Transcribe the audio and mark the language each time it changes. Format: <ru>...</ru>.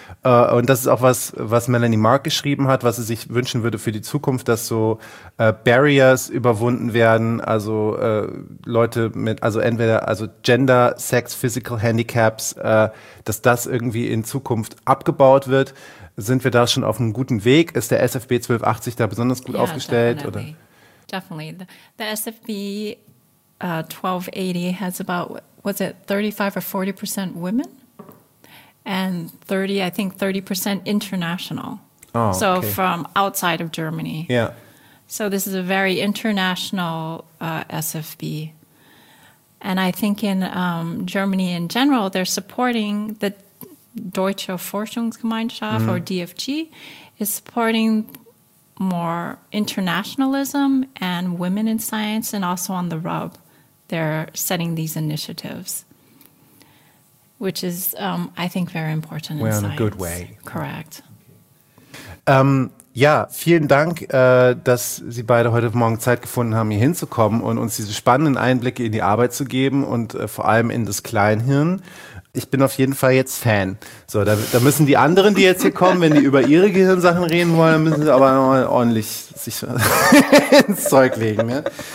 <de>Und das ist auch was, was Melanie Mark geschrieben hat, was sie sich wünschen würde für die Zukunft, dass so Barriers überwunden werden, also Leute mit, also entweder, also Gender, Sex, Physical Handicaps, dass das irgendwie in Zukunft abgebaut wird. Sind wir da schon auf einem guten Weg? Ist der SFB 1280 da besonders gut aufgestellt? Oder?</de> <en>Definitely. The SFB 1280 has about, was it 35% or 40% women? And 30% international. Oh, so okay. From outside of Germany. Yeah. So this is a very international SFB. And I think in Germany in general, they're supporting the Deutsche Forschungsgemeinschaft, mm-hmm. or DFG, is supporting more internationalism and women in science, and also on the RUB, they're setting these initiatives, which is, I think, very important. We're in on science. A good way. Correct.</en> <de>Ja, vielen Dank, dass Sie beide heute Morgen Zeit gefunden haben, hier hinzukommen und uns diese spannenden Einblicke in die Arbeit zu geben und vor allem in das Kleinhirn. Ich bin auf jeden Fall jetzt Fan. So, da müssen die anderen, die jetzt hier kommen, wenn die über ihre Gehirnsachen reden wollen, müssen sie aber ordentlich sich ins Zeug legen. Ne?</de>